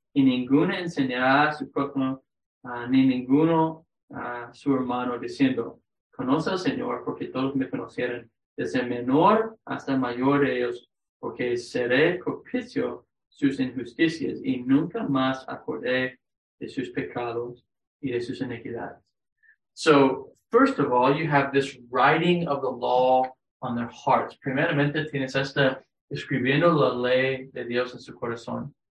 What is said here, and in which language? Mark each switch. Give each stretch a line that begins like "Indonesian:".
Spanish: Y ninguno enseñará a su prójimo, ni ninguno a su hermano, diciendo, Conoce al Señor, porque todos me conocieron, desde menor hasta mayor de ellos, porque seré propicio sus injusticias, y nunca más acordé de sus pecados y de sus iniquidades."
English: So, first of all, you have this writing of the law on their hearts.
Spanish: Primeramente, tienes esta escribiendo la ley de Dios en su corazón.